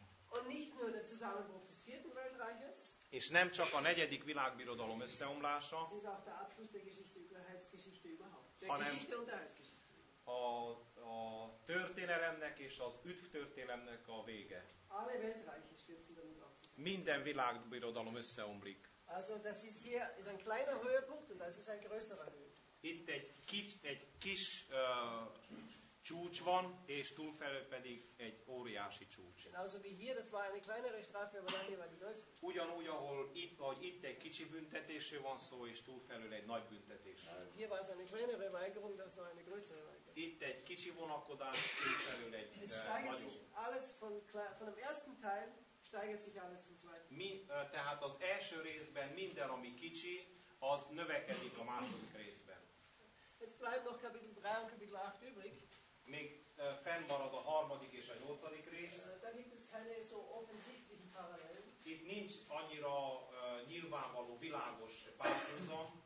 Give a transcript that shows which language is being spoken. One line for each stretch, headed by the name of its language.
German: Und nicht nur der Zusammenbruch des vierten Weltreiches.
Hungarian: És nem csak a negyedik világbirodalom összeomlása.
German: Ez auch der Abschluss der Geschichte, der Heilsgeschichte überhaupt. Der Geschichte und der Heilsgeschichte.
Hungarian: A történelemnek és az üdvtörténelemnek a vége.
German: Alle Weltreiche stürzen damit auch zusammen.
Hungarian: Minden világbirodalom összeomlik.
German: Also das ist hier ist ein kleiner Höhepunkt und das ist ein größerer Höhepunkt.
Hungarian: Itt egy kis csúcs van, és túlfelé pedig egy óriási csúcs.
German: Genauso wie hier, das war eine kleinere Strafe, aber dann hier war die größere.
Hungarian: Ugyanúgy, ahol itt egy kicsi büntetésről van szó, és túlfelől egy nagy büntetés.
German: Hier war es eine kleinere Weigerung, das war eine größere Weigerung.
Hungarian: Itt egy kicsi vonakodás, túlfelől egy nagyobb.
German: Es steigert sich alles von dem ersten Teil, steigert sich alles zum zweiten.
Hungarian: Tehát az első részben minden, ami kicsi, az növekedik a második részben.
German: Jetzt bleiben noch Kapitel 3 und Kapitel 8 übrig.
Hungarian: Még fennmarad a harmadik és a nyolcadik rész.
German: Da gibt es keine so offensichtlichen Parallelen.
Hungarian: Itt nincs annyira nyilvánvaló, világos párhuzam.